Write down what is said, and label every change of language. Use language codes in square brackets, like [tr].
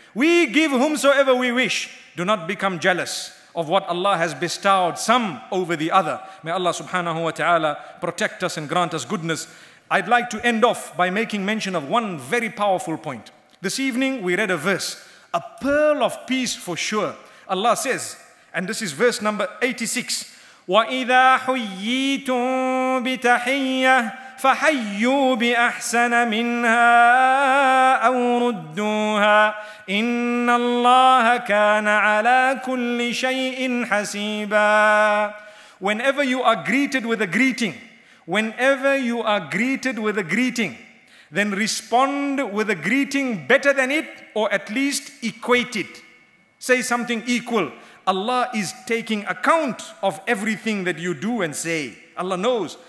[en] We give whomsoever we wish. Do not become jealous of what Allah has bestowed some over the other. May Allah subhanahu wa ta'ala protect us and grant us goodness. I'd like to end off by making mention of one very powerful point. This evening we read a verse, a pearl of peace for sure. Allah says, and this is verse number 86, [ar] وَإِذَا حُيِّيتُم بِتَحِيَّةٍ فَحَيُّوا بِأَحْسَنَ مِنْهَا أَوْ رُدُّوهَا إِنَّ اللَّهَ كَانَ عَلَى كُلِّ شَيْءٍ حَسِيبًا. [en] Whenever you are greeted with a greeting, whenever you are greeted with a greeting, then respond with a greeting better than it, or at least equate it. Say something equal. Allah is taking account of everything that you do and say. Allah knows.